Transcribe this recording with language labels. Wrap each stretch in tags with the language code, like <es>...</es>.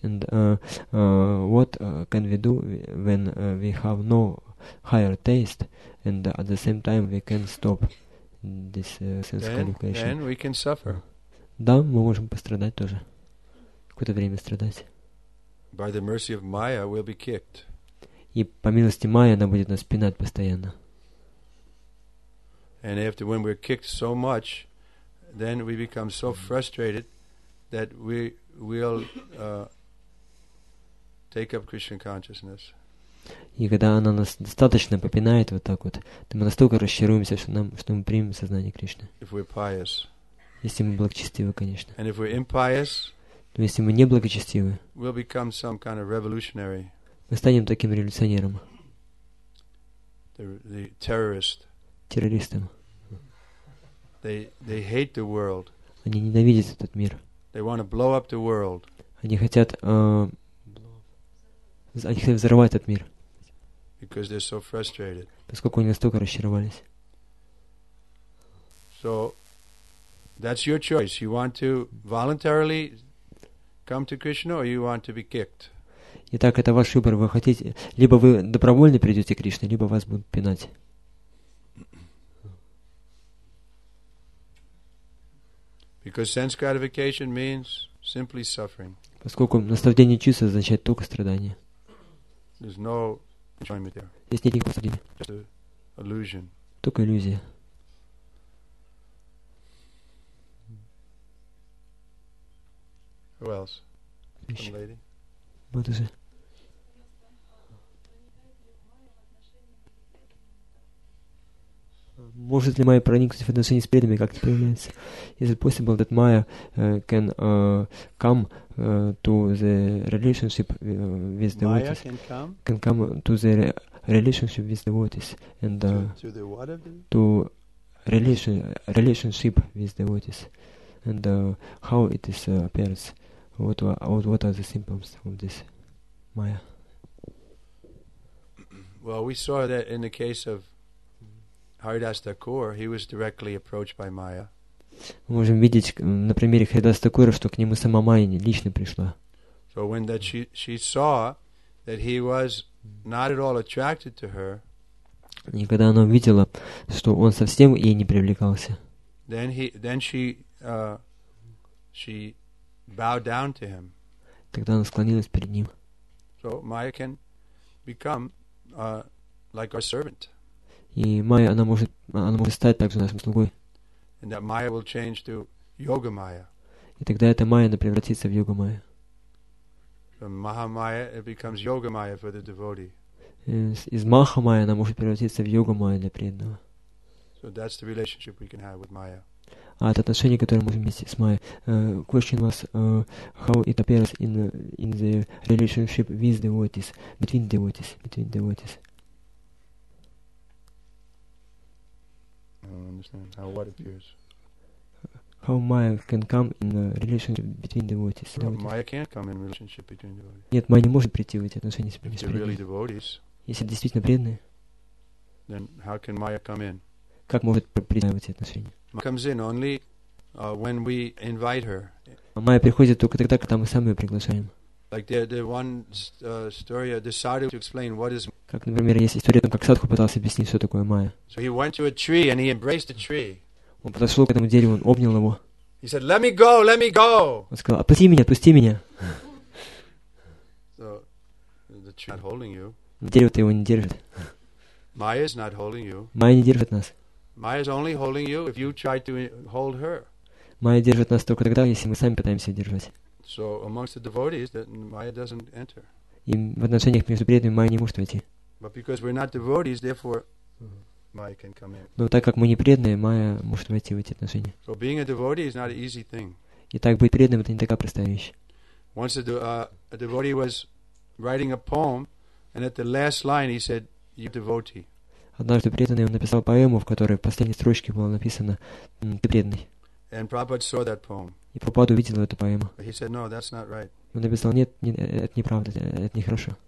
<en>And what can we do when we have no higher taste and at the same time we can stop this sense gratification? Then we can suffer.</en> <ru>Да, мы можем пострадать тоже. Какое-то время страдать.</ru> <en>By the mercy of Maya, we'll be kicked.</en> <ru>И по милости Майя, она будет нас пинать постоянно.</ru> <en>And after when we're kicked so much, then we become so frustrated that we will take up Krishna consciousness.</en> <ru>И когда она нас достаточно попинает вот так вот, то мы настолько расчаруемся, что мы примем сознание Кришны.</ru> <en>If we're pious.</en> <ru>Если мы благочестивы, конечно.</ru> <en>And if we're impious,</en> <ru>то если мы не благочестивы,</ru> <en>we'll become some kind of revolutionary.</en> <ru>Мы станем таким революционером.</ru> <en>the terrorist.</en> <ru>Террористам.</ru> <en>They hate the world.</en> <ru>Они ненавидят этот мир.</ru> <en>They want to blow up the world.</en> <ru>Они хотят они хотят взорвать этот мир.</ru> <en>Because they're so frustrated.</en> <ru>Поскольку они настолько разочаровались.</ru> <en>So that's your choice. You want to voluntarily come to Krishna, or you want to be kicked.</en> <ru>Итак, это ваш выбор. Вы хотите, либо вы добровольно придете к Кришне, либо вас будут пинать.</ru> <en>Because sense gratification means simply suffering.</en> <ru>Поскольку наслаждение чувств означает только страдание.</ru> <en>There's no enjoyment there.</en> <ru>Здесь нет никакого наслаждения.</ru> <en>Just an illusion.</en> <ru>Только иллюзия.</ru> <en>Who else? Some lady? What is it?</en> <ru>Может ли Майя проникнуть в отношения с преданными, как это появляется?</ru> <en>Is it possible that Maya can come to the relationship with the devotees? Can come to the relationship with the devotees and to the what of them? To relationship with the devotees and how it is appears? What are the symptoms of this, Maya? Well, we saw that in the case of Haridas Thakur, he was directly approached by Maya.</en> <ru>Мы можем видеть на примере Харидаса Такура, что к нему сама Майя лично пришла.</ru> <en>So when that she saw that he was not at all attracted to her.</en> <ru>И когда она увидела, что он совсем ей не привлекался.</ru> <en>Then she bowed down to him.</en> <ru>Тогда она склонилась перед ним.</ru> <en>So Maya can become like our servant.</en> <ru>И Майя, она может стать также нашим слугой.</ru> <en>And that Maya will change to Yoga Maya.</en> <ru>И тогда эта Майя, она превратится в Йога Майя.</ru> <en>From Maha Maya, it becomes Yoga Maya for the devotee.</en> <ru>Из Маха Майя она может превратиться в Йога Майя для преданного.</ru> <en>So that's the relationship we can have with Maya.</en> <ru>А это отношение, которое мы можем иметь с Майей.</ru> <en>Question was, how it appears in the relationship with devotees, between devotees, between devotees. I don't understand how what appears. How Maya can come in a relationship between devotees? Well, devotees. Maya can't come in relationship between devotees.</en> <ru>Нет, Майя не может прийти в эти отношения с преданными.</ru> <en>If they're really devotees.</en> <ru>Если действительно преданные.</ru> <en>Then how can Maya come in?</en> <ru>Как может прийти в эти отношения?</ru> <en>Maya comes in only when we invite her.</en> <ru>Майя приходит только тогда, когда мы сами ее приглашаем.</ru> <en>Like the one story decided to explain what is.</en> <ru>Как, например, есть история о том, как Садху пытался объяснить, что такое Майя.</ru> <en>So he went to a tree and he embraced the tree.</en> <ru>Он подошел к этому дереву, он обнял его.</ru> <en>He said, "Let me go, let me go."</en> <ru>Он сказал, отпусти меня, отпусти меня.</ru> <en>So the tree is not holding you.</en> <ru>Дерево-то его не держит.</ru> <en>Maya is not holding you.</en> <ru>Майя не держит нас.</ru> <en>Maya is only holding you if you try to hold her.</en> <ru>Майя держит нас только тогда, если мы сами пытаемся держать.</ru> <en>So amongst the devotees, that Maya doesn't enter.</en> <ru>И в отношениях между преданными Майя не может войти.</ru> <en>But because we're not devotees, therefore Maya can come in.</en> <ru>Но так как мы не преданные, Майя может войти в эти отношения.</ru> <en>So being a devotee is not an easy thing.</en> <ru>И так быть преданным это не такая простая вещь.</ru> <en>Once a devotee was writing a poem, and at the last line he said, "You're a devotee."</en> <ru>Однажды преданный написал поэму, в которой в последней строчке было написано, "Ты преданный."</ru> <en>And Prabhupada saw that poem.</en> <ru>И Прабхупада увидел эту поэму.</ru> <en>He said, "No, that's not right."</en> <ru>Он написал, нет, это неправда, это нехорошо.</ru>